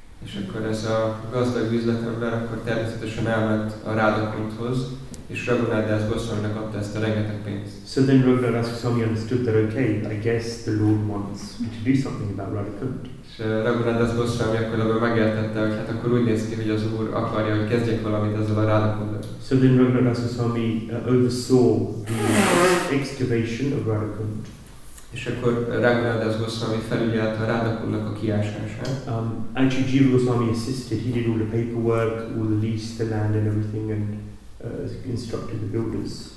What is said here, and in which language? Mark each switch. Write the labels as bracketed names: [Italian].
[Hungarian] És akkor ez a gazdag üzletember akkor természetesen elment a Radhakundhoz, és Raghunath Das Goswaminak adta ezt a rengeteg pénzt. [English] So then Raghunath Das Goswami understood that okay, I guess the Lord wants me to do something about Radhakund. [Hungarian] És Raghunath Das Goswami akkor ebből megértette, hogy hát akkor úgy néz ki, hogy az Úr akarja, hogy kezdjek valamit ezzel a Radhakundot. [English] So then Raghunath Das Goswami oversaw the excavation of Radhakund. [Hungarian] És akkor Raghunath Das Goswami felügyelte a Radhakundnak a kiásását. [English] Actually Jiva Goswami assisted, he did all the paperwork, all the lease, the land and everything and instructed the builders.